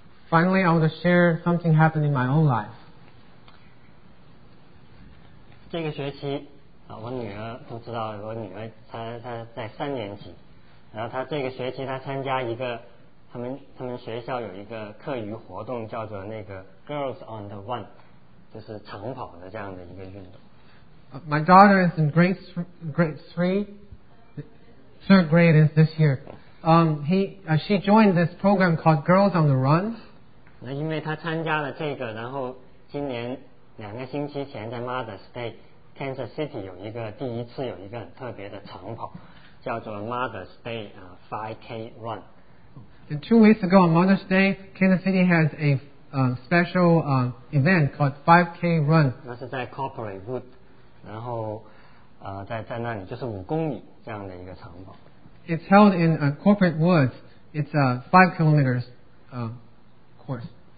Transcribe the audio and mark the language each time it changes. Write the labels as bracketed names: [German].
[English] Finally, I want to share something happened in my own life. [Chinese] 这个学期, 我女儿都知道, 我女儿她在三年级, 然后她这个学期她参加一个, 他们学校有一个课余活动, 叫做那个 Girls on the Run, 就是长跑的这样的一个运动。 [English] My daughter is in grade 3, third grade is this year. She joined this program called Girls on the Run. [Chinese] 因为她参加了这个, 然后今年两个星期前在 Mother's Day, Kansas City 有一个, 第一次有一个很特别的长跑, 叫做 Mother's Day 5K Run. [English] And 2 weeks ago on Mother's Day, Kansas City has a special event called 5K Run. [Chinese] 那是在 Corporate Wood, 然后, 在那里, 就是5公里, 这样的一个长跑。 [English] It's held in a corporate woods. It's a 5 kilometers course.